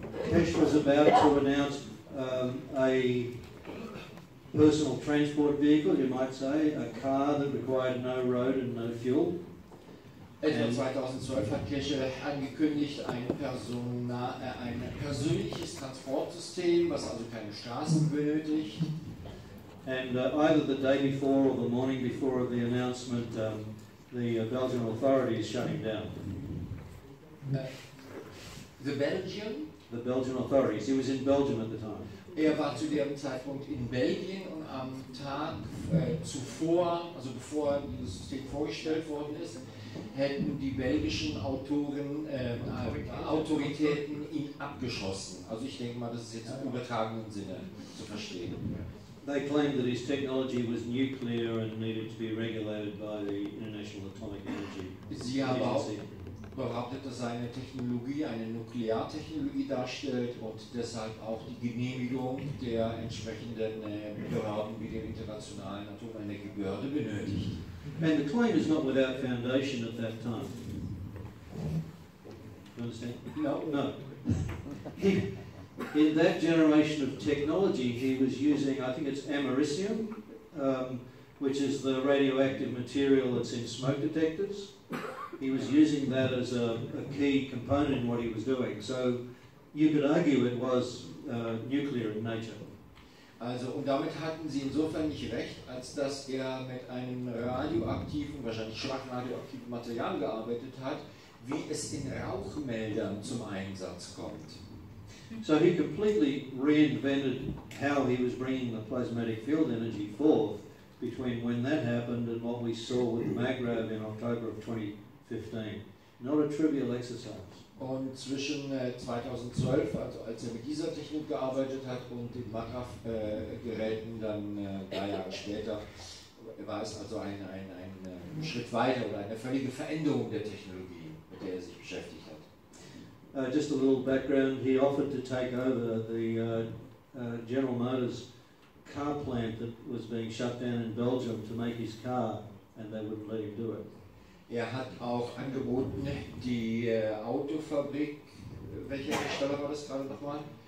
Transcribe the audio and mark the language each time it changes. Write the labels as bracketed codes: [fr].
[en] Keshe was about to announce a personal transport vehicle, you might say, a car that required no road and no fuel. [de] Etwa 2012 hat Keshe angekündigt, ein persönliches Transportsystem, was also keine Straßen benötigt. [en] And either the day before or the morning before of the announcement, the Belgian authorities shut him down. The Belgian authorities. He was in Belgium at the time. [de] Er war zu dem Zeitpunkt in Belgien und am Tag zuvor, also bevor dieses System vorgestellt worden ist, hätten die belgischen Autoritäten ihn abgeschossen. Also ich denke mal, das ist jetzt im übertragenen Sinne zu verstehen. [en] They claimed that his technology was nuclear and needed to be regulated by the International Atomic Energy Agency. [de] Behauptet, dass seine Technologie eine Nukleartechnologie darstellt und deshalb auch die Genehmigung der entsprechenden Behörden wie der Internationalen Atomenergiebehörde benötigt. [en] And the claim is not without foundation at that time. You understand? No. In that generation of technology, he was using, I think it's americium, which is the radioactive material that's in smoke detectors. He was using that as a key component in what he was doing. So you could argue it was nuclear in nature. [de] Also, und damit hatten sie insofern nicht recht, als dass er mit einem radioaktiven, wahrscheinlich schwach radioaktiven Material gearbeitet hat, wie es in Rauchmeldern zum Einsatz kommt. [en] So he completely reinvented how he was bringing the plasmatic field energy forth between when that happened and what we saw with the Maghreb in October of 2015. Not a trivial exercise. [de] Und zwischen 2012, also als er mit dieser Technik gearbeitet hat, und den Maghreb-Geräten dann 3 Jahre später, war es also ein Schritt weiter oder eine völlige Veränderung der Technologie, mit der er sich beschäftigt hat. [en] Just a little background, he offered to take over the General Motors car plant that was being shut down in Belgium to make his car, and they wouldn't let him do it. [de] Er hat auch angeboten, die Autofabrik, welcher Hersteller war das gerade nochmal?